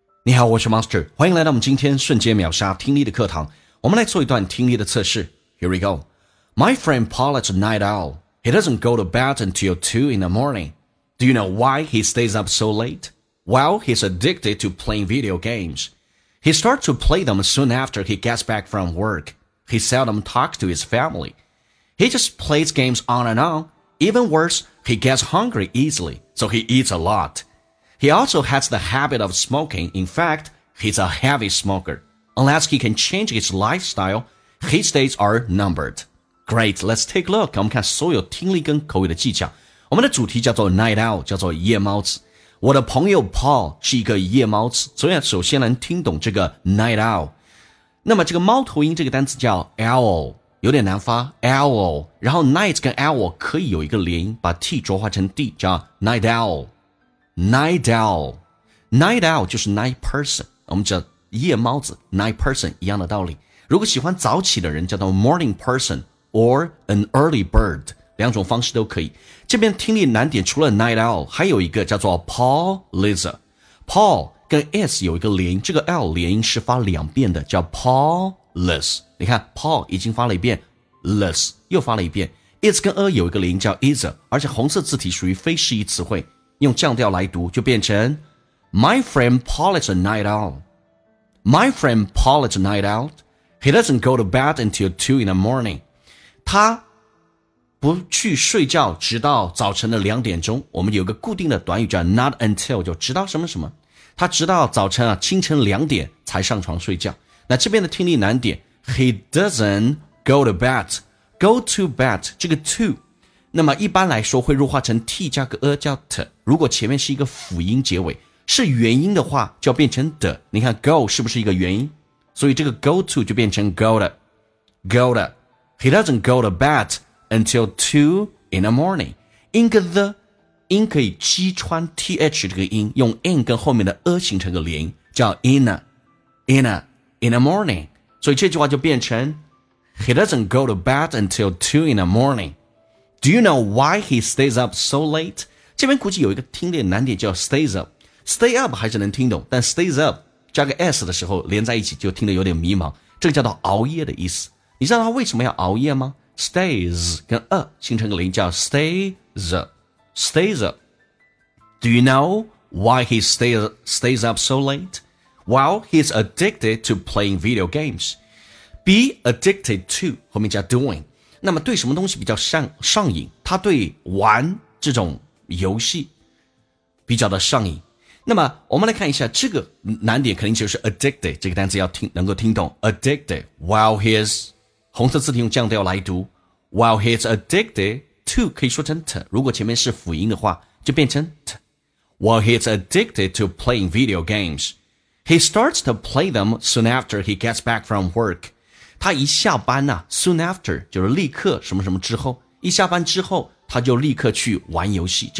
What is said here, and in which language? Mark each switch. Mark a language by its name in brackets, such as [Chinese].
[Chinese] 你好，我是 Monster， 欢迎来到我们今天瞬间秒杀听力的课堂。我们来做一段听力的测试。 [English] Here we go. My friend Paul is a night owl. He doesn't go to bed until 2 in the morning. Do you know why he stays up so late? Well, he's addicted to playing video games. He starts to play them soon after he gets back from work. He seldom talks to his family. He just plays games on and on. Even worse, he gets hungry easily, so he eats a lot. He also has the habit of smoking. In fact, he's a heavy smoker. Unless he can change his lifestyle, his days are numbered. Great, let's take a look. [Chinese] 我们看所有听力跟口语的技巧。我们的主题叫做 Night Owl, 叫做夜猫子。我的朋友 Paul 是一个夜猫子。所以首先能听懂这个 Night Owl。那么这个猫头鹰这个单词叫 Owl, 有点难发 ,Owl。然后 Night 跟 Owl 可以有一个连音，把 T 浊化成 D, 叫 Night Owl。 Night owl, night owl 就是 night person, 我们叫夜猫子 night person 一样的道理。如果喜欢早起的人叫做 [English] morning person or an early bird, [Chinese] 两种方式都可以。这边听力难点除了 night owl, 还有一个叫做 Paulizer。 Paul 跟 S 有一个连音，这个 L 连音是发两遍的，叫 Paulis。你看 Paul 已经发了一遍 ,Lis 又发了一遍。 Is 跟 A 有一个连音叫 Iser, 而且红色字体属于非示意词汇。用降调来读就变成 [English] My friend Paul is a night owl. My friend Paul is a night owl. He doesn't go to bed until 2 in the morning. [Chinese] 他不去睡觉直到早晨的两点钟。我们有个固定的短语叫 not until, 就直到什么什么。他直到早晨啊，清晨两点才上床睡觉。那这边的听力难点 [English] He doesn't go to bed. [Chinese] Go to bed, 这个 to,那么一般来说会弱化成 T 加个 A 叫 T, 如果前面是一个辅音结尾是元音的话就要变成 D, 你看 Go 是不是一个元音，所以这个 Go to 就变成 Go 的 Go 的 [English] He doesn't go to bed until 2 in the morning. [Chinese] 音跟 The 音可以击穿 TH 这个音，用 N 跟后面的 A 形成个连音叫 In the morning, 所以这句话就变成 [English] He doesn't go to bed until 2 in the morningDo you know why he stays up so late? [Chinese] 这边估计有一个听力难点叫 stays up. Stay up 还是能听懂，但 stays up 加个 S 的时候连在一起就听得有点迷茫。这个叫做熬夜的意思。你知道他为什么要熬夜吗？ Stays 跟 a 形成个连叫 stays up. Stays up. [English] Do you know why he stays up so late? Well, he's addicted to playing video games. Be addicted to [Chinese] 后面加 [English] doing. [Chinese] 那么对什么东西比较上瘾，他对玩这种游戏比较的上瘾。那么我们来看一下这个难点，肯定就是 addicted, 这个单词要听能够听懂 addicted, [English] while he's, 红色字体用降调来读 while he's addicted to, 可以说成 t, 如果前面是辅音的话就变成 t, while he's addicted to playing video games, he starts to play them soon after he gets back from work, [Chinese] 他一下班啊 soon after, 就是立刻什么什么之后，一下班之后他就立刻去玩游戏。